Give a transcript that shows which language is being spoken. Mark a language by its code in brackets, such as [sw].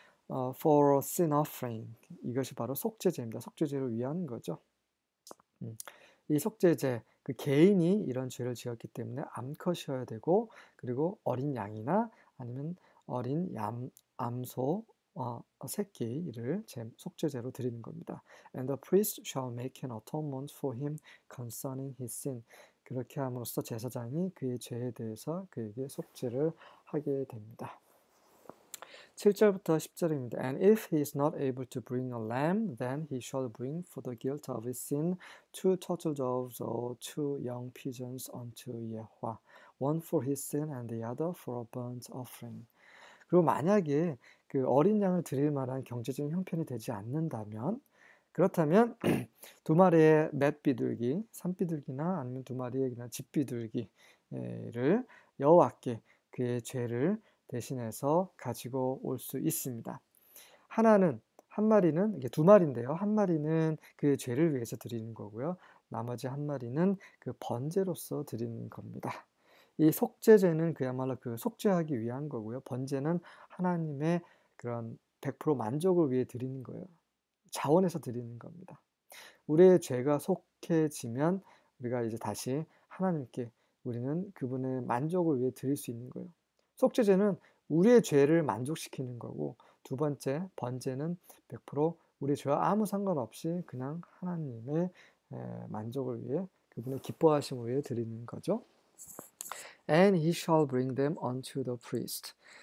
[en] For a sin offering. [ko] 이것이 바로 속죄제입니다. 속죄제를 위한 거죠. 이 속죄제, 그 개인이 이런 죄를 지었기 때문에 암컷이어야 되고, 그리고 어린 양이나 아니면 어린 암소, 새끼를 제 속죄제로 드리는 겁니다. [en] And the priest shall make an atonement for him concerning his sin. [ko] 그렇게 함으로써 제사장이 그의 죄에 대해서 그에게 속죄를 하게 됩니다. 7절부터 10절입니다. [en] And if he is not able to bring a lamb, then he shall bring for the guilt of his sin two turtle doves or two young pigeons unto Yehovah, one for his sin and the other for a burnt offering. [ko] 그리고 만약에 그 어린 양을 드릴 만한 경제적인 형편이 되지 않는다면, 그렇다면 두 마리의 맷비둘기, 산비둘기나 아니면 두 마리의 그냥 집비둘기를 여호와께 그의 죄를 대신해서 가지고 올수 있습니다. 하나는 한 마리는 이게 두 마리인데요. 한 마리는 그의 죄를 위해서 드리는 거고요. 나머지 한 마리는 그 번제로서 드리는 겁니다. 이 속죄제는 그야말로 그 속죄하기 위한 거고요. 번제는 하나님의 그런 100% 만족을 위해 드리는 거예요. 자원해서 드리는 겁니다. 우리의 죄가 속해지면 우리가 이제 다시 하나님께 우리는 그분의 만족을 위해 드릴 수 있는 거예요. 속죄제는 우리의 죄를 만족시키는 거고, 두 번째 번제는 100% 우리의 죄와 아무 상관없이 그냥 하나님의 만족을 위해 그분의 기뻐하심을 위해 드리는 거죠. [en] And he shall bring them unto the priest.